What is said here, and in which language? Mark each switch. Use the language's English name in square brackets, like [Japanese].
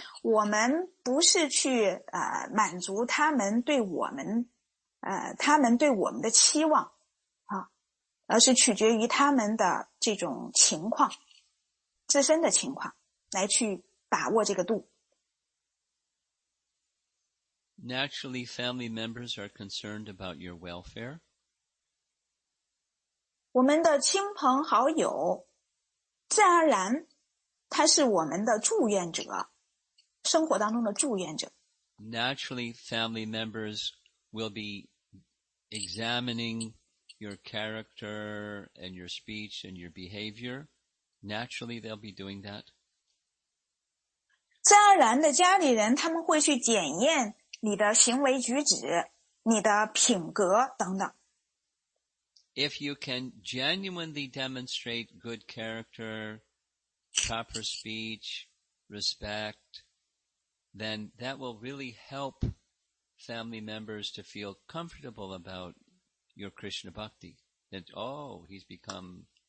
[Chinese] 我们不是去满足他们对我们他们对我们的期望啊，而是取决于他们的这种情况，自身的情况来去把握这个度。 [English] Naturally, family members are concerned about your welfare. [Chinese] 我们的亲朋好友，自然而然，他是我们的祝愿者。生活当中的祝愿者。 [English] Naturally, family members will be examining your character and your speech and your behavior. Naturally, they'll be doing that. [Chinese] 自然而然的家里人他们会去检验你的行为举止、你的品格等等。 [English] If you can genuinely demonstrate good character, proper speech, respect,then that will really help family members to feel comfortable about your Krishna Bhakti. That, oh, he's become